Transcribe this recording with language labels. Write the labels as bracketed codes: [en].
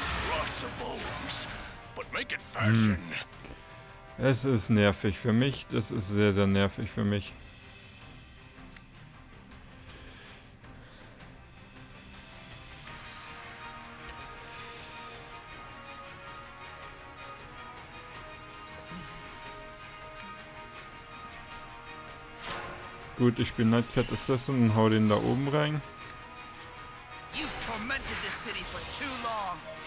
[en] Lots of bones, but make it fashion. [de] Es ist nervig für mich. Das ist sehr, sehr nervig für mich. Gut, ich bin Nightcat Assassin und hau den da oben rein. [en] You've tormented this city for too long.